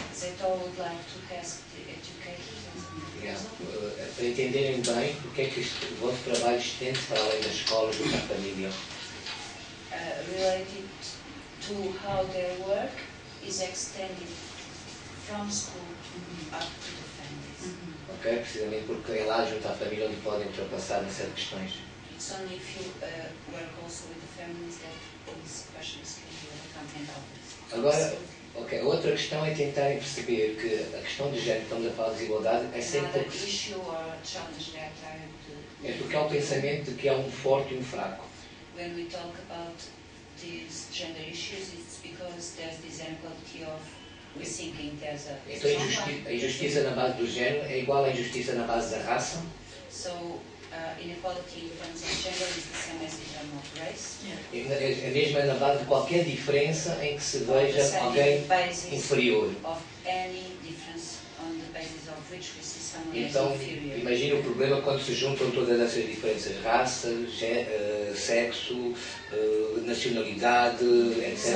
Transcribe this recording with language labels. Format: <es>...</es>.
<en>Is it all would like to ask the educators?</en> <pt>Para entenderem bem porque é que o vosso trabalho estende para além das escolas e da família.</pt> <en>Related to how their work is extended from school to up to the families. Mm-hmm.</en> <pt>Ok, precisamente porque é lá junto à família onde podem ultrapassar certas questões.</pt> <en>It's only if you work also with the families that these questions can be overcome and others.</en> <pt>Agora, ok, outra questão é tentar perceber que a questão de género, estamos a falar de desigualdade, é sempre é porque há o pensamento de que há um forte e um fraco.</pt> <en>When we talk about these gender issues, it's because there's this inequality of we thinking there's a.</en> <pt>Então a injustiça na base do género é igual à injustiça na base da raça?</pt> <en>So, inequality in terms of gender is the same as in terms of race. Yeah.</en> <pt>É mesmo na base de qualquer diferença em que se veja alguém inferior.</pt> <en>Of any difference on the basis of which we see someone</en> <pt>então,</pt> <en>as inferior.</en> <pt>Então, imagine o problema quando se juntam todas essas diferenças: raça, sexo, nacionalidade, etc.</pt>